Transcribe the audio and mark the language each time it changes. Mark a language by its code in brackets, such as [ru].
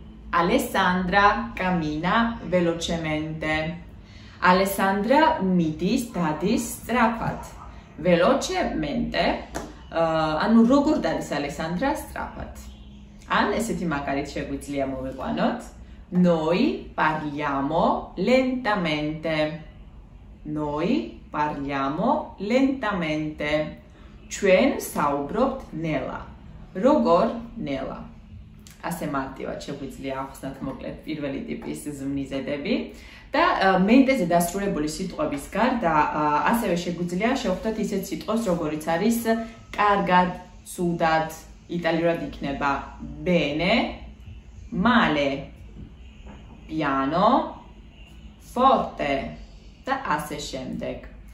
[it] Alessandra cammina velocemente. [ka] Alessandra მიდის, დადის სწრაფად. velocemente. ანუ როგორ დადის Alessandra სწრაფად? ან ესეთი მაგალითი შეგვიძლია მოვიყვანოთ. [it] Noi parliamo lentamente. Noi parliamo lentamente. [ka] ჩვენ საუბრობთ ნელა. როგორ ნელა? ასე მარტივად შეგვიძლია ახსნათ მოკლედ პირველი ტიპის ზმნიზედები და მენტეზე დასრულებული სიტყვების გარდა ასევე შეგვიძლია შევხვდეთ ისეთ სიტყვებს როგორიც არის კარგად, ცუდად, იტალიურად იქნება [it] bene, male, piano, forte [ka] და ასე შემდეგ.